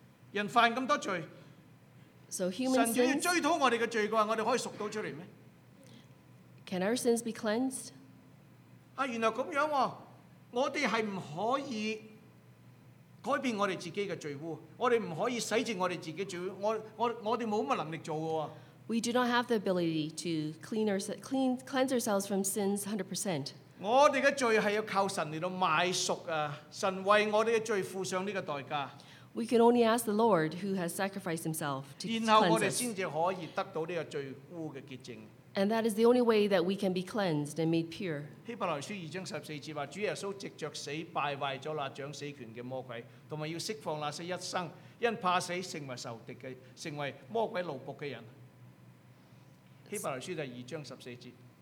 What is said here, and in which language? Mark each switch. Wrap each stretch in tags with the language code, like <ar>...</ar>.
<yue>人犯咁多罪，神仲要追討我哋嘅罪嘅話，我哋可以贖到出嚟咩</yue> <en>？Can our sins be cleansed？</en> <yue>啊，原來咁樣喎，我哋係唔可以改變我哋自己嘅罪污，我哋唔可以洗淨我哋自己罪污，我哋冇乜能力做嘅喎。</yue> <en>We do not have the ability to cleanse ourselves from sins 100%.</en> <yue>我哋嘅罪係要靠神嚟到買贖啊！神為我哋嘅罪付上呢個代價。</yue> <en>We can only ask the Lord who has sacrificed Himself to cleanse us.</en> <yue>然後我哋先至可以得到呢個罪污嘅潔淨。</yue> <en>And that is the only way that we can be cleansed and made pure.</en> <yue>希伯來書二章十四節話：主耶穌藉著死敗壞咗那掌死權嘅魔鬼，同埋要釋放那些一生因怕死成為仇敵嘅、成為魔鬼奴仆嘅人。希伯來書第二章十四節。</yue>